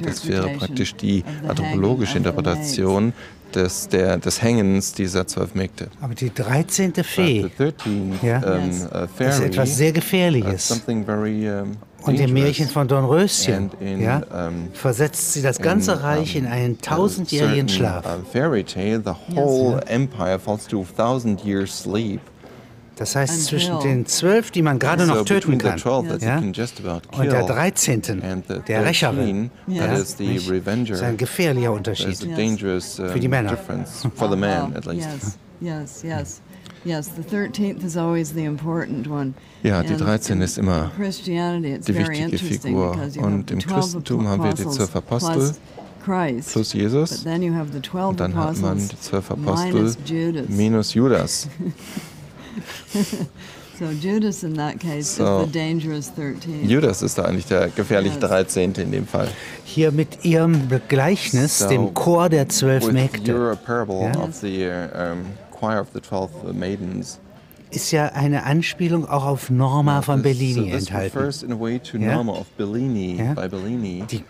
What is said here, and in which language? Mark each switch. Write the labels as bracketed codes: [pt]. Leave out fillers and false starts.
[de] Das wäre praktisch die anthropologische Interpretation des Hängens dieser 12 Mägde. Aber die 13. Fee, ja, das ist etwas sehr Gefährliches. Und im Märchen von Dornröschen versetzt sie das ganze Reich in einen tausendjährigen Schlaf. [en] Fairy tale, the whole empire falls to a thousand years sleep. [de] Das heißt, zwischen den 12, die man gerade noch töten kann, und der 13., der Rächer, ist ein gefährlicher Unterschied für die Männer. [en] For the man, at least. Yes, the 13th is always the important one. [de] Ja, die 13 ist immer die wichtige Figur. Und im Christentum haben wir die 12 Apostel plus Jesus. Und dann hat man die 12 Apostel minus Judas. [en] So Judas in that case is the dangerous 13. [de] Judas ist da eigentlich der gefährliche 13. in dem Fall. Hier mit ihrem Gleichnis, dem Chor der 12 Mägde. [en] With your parable of the choir of the 12 maidens. [de] Ist ja eine Anspielung auch auf Norma von Bellini enthalten. [en] First in a way to Norma of Bellini by Bellini.